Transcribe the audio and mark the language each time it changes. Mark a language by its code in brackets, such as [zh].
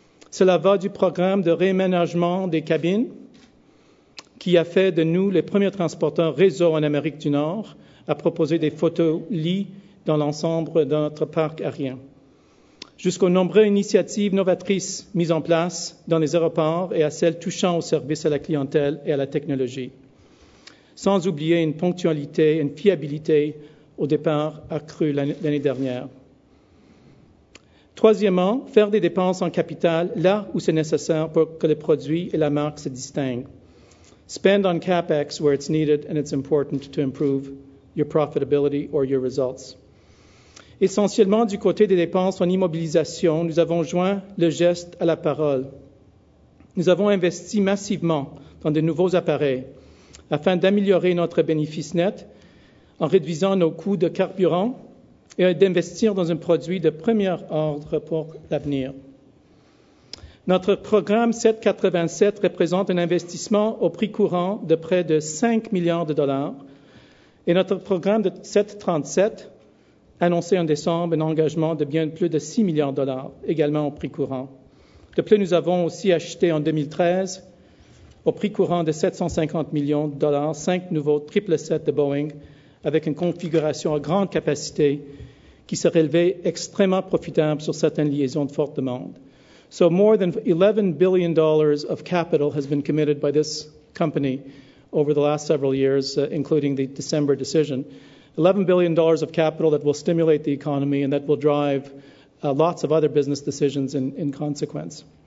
[fr] Cela va du programme de réaménagement des cabines, qui a fait de nous les premiers transporteurs réseau en Amérique du Nord à proposer des photo-lits dans l'ensemble de notre parc aérien, jusqu'aux nombreuses initiatives novatrices mises en place dans les aéroports et à celles touchant au service à la clientèle et à la technologie, sans oublier une ponctualité, une fiabilité au départ accrue l'année dernière. Troisièmement, faire des dépenses en capital là où c'est nécessaire pour que le produit et la marque se distinguent. [en] Spend on CapEx where it's needed and it's important to improve your profitability or your results. [fr] Essentiellement du côté des dépenses en immobilisation, nous avons joint le geste à la parole. Nous avons investi massivement dans de nouveaux appareils afin d'améliorer notre bénéfice net en réduisant nos coûts de carburant et d'investir dans un produit de premier ordre pour l'avenir. Notre programme 787 représente un investissement au prix courant de près de 5 milliards de dollars et notre programme de 737 annoncé en décembre un engagement de bien plus de 6 milliards de dollars, également au prix courant. De plus, nous avons aussi acheté en 2013, au prix courant de 750 millions de dollars, 5 nouveaux 777 de Boeing avec une configuration à grande capacité qui s'est révélée extrêmement profitable sur certaines liaisons de forte demande. [en] So more than $11 billion of capital has been committed by this company over the last several years, including the December decision. $11 billion of capital that will stimulate the economy and that will drive lots of other business decisions in consequence.